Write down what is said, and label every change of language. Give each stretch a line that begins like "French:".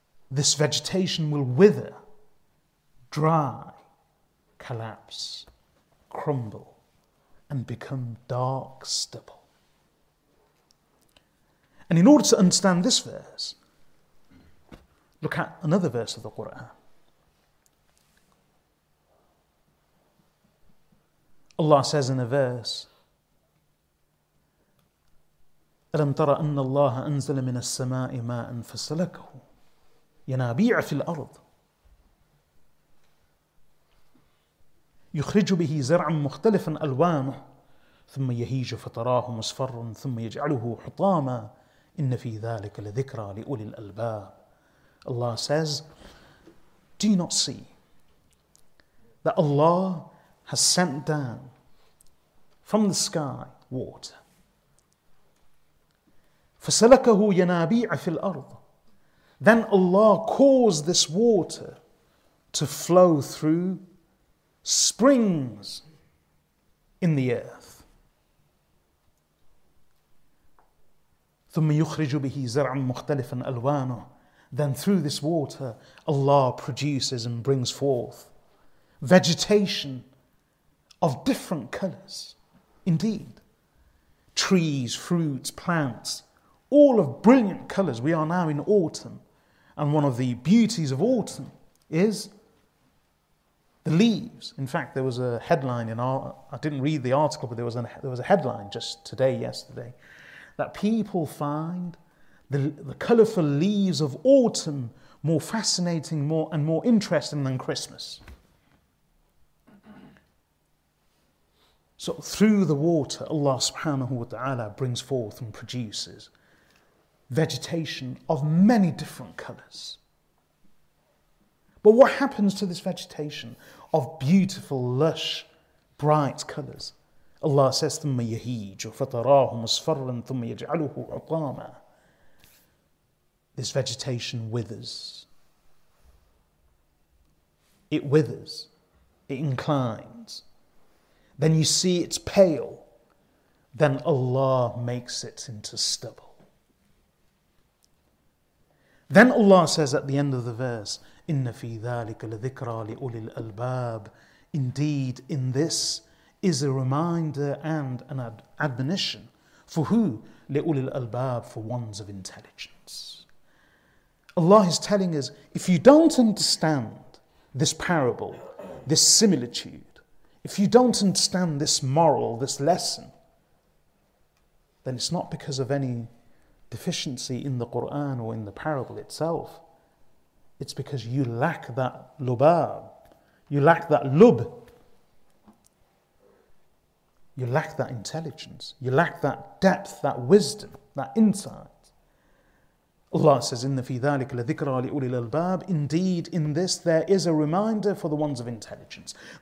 English: This vegetation will wither, dry, collapse, crumble, and become dark stubble. And in order to understand this verse, look at another verse of the Quran. Allah says in a verse,
Arabic: أَلَمْ تَرَ أَنَّ اللَّهَ أَنزَلَ مِنَ السَّمَاءِ مَاءً فَسَلَكَهُ يَنَابِيعَ فِي الْأَرْضِ يخرج به زرعا مختلفا ألوانه ثم يهيج فتراه مصفرا ثم يجعله حطاما إن في ذلك لذكرى لأولي الألباب.
English: Allah says, do you not see that Allah has sent down from the sky water?
Arabic: فسلكه ينابيع في الأرض.
English: Then Allah caused this water to flow through springs in the earth.
Arabic: ثُمَّ يُخْرِجُ بِهِ زَرْعًا مُخْتَلِفًا أَلْوَانُهُ.
English: Then through this water, Allah produces and brings forth vegetation of different colours. Indeed, trees, fruits, plants, all of brilliant colours. We are now in autumn, and one of the beauties of autumn is the leaves. In fact, there was a headline in our, I didn't read the article, but there was a headline just today, yesterday, that people find the colourful leaves of autumn more fascinating, more and more interesting than Christmas. So through the water, Allah subhanahu wa ta'ala brings forth and produces vegetation of many different colours. But what happens to this vegetation of beautiful, lush, bright colours? Allah says,
Arabic: ثُمَّ يَهِيجُ فَتَرَاهُ مُصْفَرًا ثُمَّ يَجْعَلُهُ عُطَامًا.
English: This vegetation withers. It withers. It inclines. Then you see it's pale. then Allah makes it into stubble. Then Allah says at the end of the verse,
Arabic: إِنَّ فِي ذَٰلِكَ لَذِكْرَى لِأُولِي الْأَلْبَابِ.
English: Indeed, in this is a reminder and an admonition. For who?
Arabic: لِأُولِي الْأَلْبَابِ,
English: for ones of intelligence. Allah is telling us, if you don't understand this parable, this similitude, if you don't understand this moral, this lesson, then it's not because of any deficiency in the Qur'an or in the parable itself. It's because you lack that lubab, you lack that lub, you lack that intelligence, you lack that depth, that wisdom, that insight. Allah says,
Arabic: إِنَّ فِي ذَٰلِكَ لَذِكْرَى لِأُولِي الْأَلْبَابِ.
English: Indeed, in this there is a reminder for the ones of intelligence.